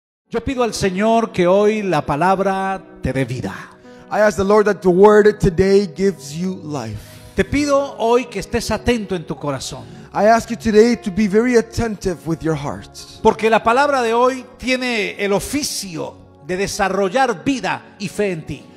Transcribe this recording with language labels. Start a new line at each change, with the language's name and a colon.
Spanish: Yo pido al Señor que hoy la palabra te dé vida.
English: I ask the Lord that the word today gives you life.
Spanish: Te pido hoy que estés atento en tu corazón.
English: I ask you today to be very attentive with your heart.
Spanish: Porque la palabra de hoy tiene el oficio de desarrollar vida y fe en ti.